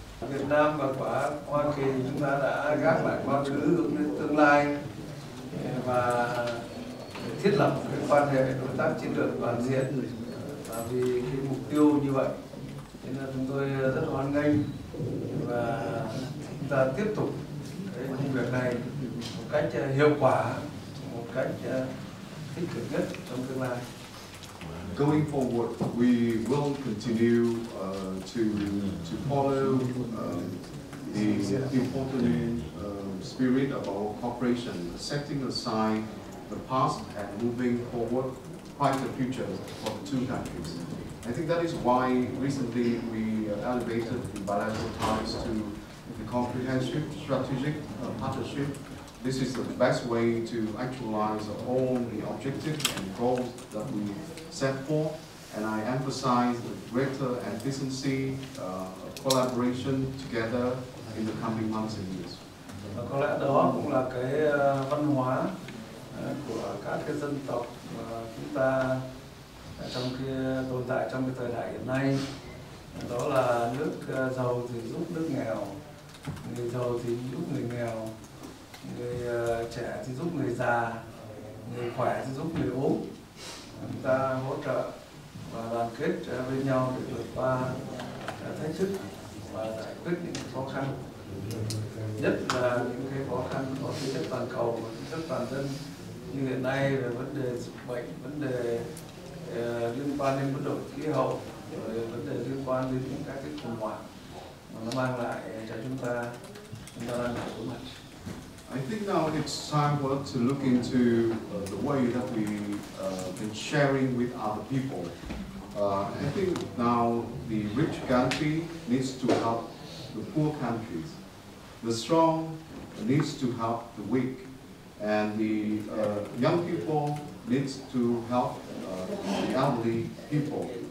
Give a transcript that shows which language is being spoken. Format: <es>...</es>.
<vi>Việt Nam và quả Hoa Kỳ chúng ta đã gác lại quá khứ hướng đến tương lai và thiết lập cái quan hệ đối tác chiến lược toàn diện, và vì cái mục tiêu như vậy nên là chúng tôi rất hoan nghênh và chúng ta tiếp tục cái công việc này một cách hiệu quả, một cách tích cực nhất trong tương lai.</vi> <en>Going forward, we will continue to follow the important spirit of our cooperation, setting aside the past and moving forward quite the future for the two countries. I think that is why recently we elevated the bilateral ties to the comprehensive strategic partnership. This is the best way to actualize all the objectives and goals that we set for, and I emphasize the greater efficiency collaboration together in the coming months and years.</en> <vi>Và có lẽ đó cũng là cái văn hóa của các cái dân tộc mà chúng ta trong cái tồn tại trong cái thời đại hiện nay, đó là nước giàu thì giúp nước nghèo, người giàu thì giúp người nghèo, người trẻ thì giúp người già, người khỏe thì giúp người ốm. Chúng ta hỗ trợ và đoàn kết với nhau để vượt qua thách thức và giải quyết những khó khăn, nhất là những cái khó khăn có tính chất toàn cầu và tính chất toàn dân như hiện nay về vấn đề dịch bệnh, vấn đề liên quan đến biến đổi khí hậu, rồi vấn đề liên quan đến những các cái khủng hoảng mà nó mang lại cho chúng ta đang phải đối mặt.</vi> <en>I think now it's time for us to look into the way that we been sharing with other people. I think now the rich country needs to help the poor countries. The strong needs to help the weak. And the young people needs to help the elderly people.</en>